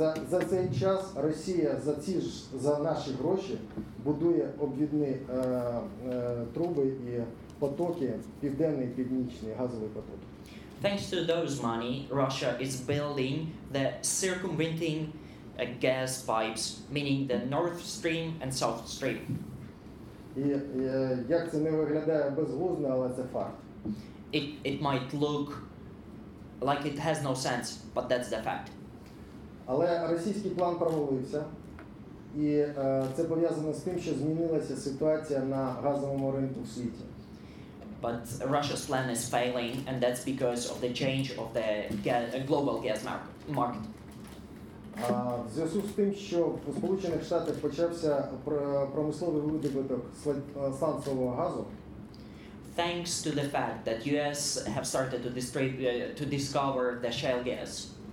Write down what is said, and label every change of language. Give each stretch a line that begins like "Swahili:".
Ukrainian: За цей час Росія за наші гроші будує обвідні труби і потоки, південний і північний газовий поток.
English: Thanks to those money, Russia is building the circumventing gas pipes, meaning the North Stream and South Stream.
Ukrainian: І як це не виглядає безглуздо, але це факт.
English: It might look like it has no sense, but that's the fact.
Ukrainian: Але російський план провалився, і це пов'язано з тим, що змінилася ситуація на газовому ринку в світі.
English: But Russia's plan is failing, and that's because of the change of the global gas market.
Ukrainian: В зв'язку з тим, що у Сполучених Штатах почався промисловий видобуток сланцевого газу.
English: Thanks to the fact that US have started to discover the shale gas.